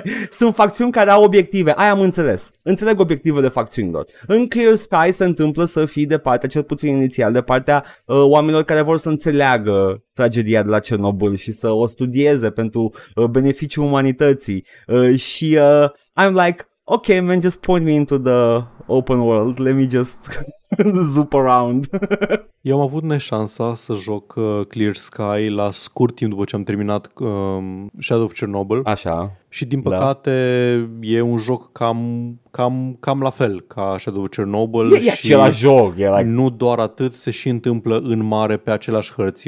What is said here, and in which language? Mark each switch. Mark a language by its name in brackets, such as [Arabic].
[Romanian] Sunt facțiuni care au obiective. Aia am înțeles. Înțeleg obiectivele facțiunilor. În Clear Sky se întâmplă să fii de partea, cel puțin inițial, de partea oamenilor care vor să înțeleagă tragedia de la Chernobyl și să o studieze pentru beneficiul umanității. [English] Și I'm like, ok, man, just point me into the open world. Let me just zoop around. [Romanian] Eu am avut neșansa să joc Clear Sky la scurt timp după ce am terminat Shadow of Chernobyl. Așa. Și din păcate da. E un joc cam la fel ca Shadow of Chernobyl. E același joc. E like... Nu doar atât, se și întâmplă în mare pe aceleași hărți.